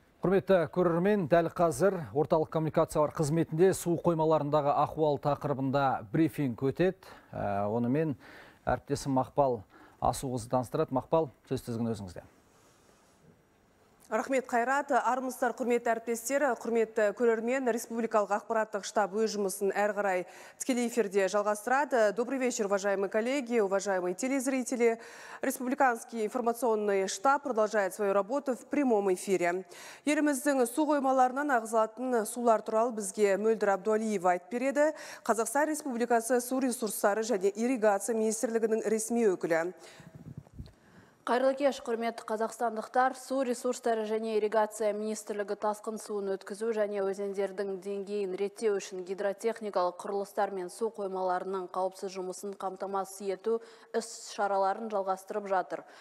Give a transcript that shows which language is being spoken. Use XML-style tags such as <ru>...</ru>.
<kk>Құрметті көрермен, дәл қазір орталық коммуникациялар қызметінде су қоймаларындағы ахуал тақырыбында брифинг өтеді. Оны мен әріптесім Мақпал Асуғызы таныстырады. Мақпал, сөз тізгін өзіңізде. Рахмет, Қайрат. Армысыздар, құрметті әріптестері, құрметті көрермен, республикалық ақпараттық штаб өз жұмысын әрі қарай тікелей эфирде жалғастырады.</kk> <ru>Добрый вечер, уважаемые коллеги, уважаемые телезрители. Республиканский информационный штаб продолжает свою работу в прямом эфире.</ru> <kk>Еліміздің су қоймаларынан ағызылатын сулар туралы бізге Мөлдір Абдуалиева айтып береді. Қазақстан Республикасы су ресурстары және ирригация министрлігінің ресми өкілі. Қайырлы кеш, құрметті қазақстандықтар, су ресурстары және ирригация министрлігі тасқын суын өткізу және өзендердің деңгейін реттеу үшін гидротехникалық құрылыстар мен су қоймаларының қауіпсіз жұмысын қамтамасыз ету іс-шараларын жалғастырып жатыр.</kk>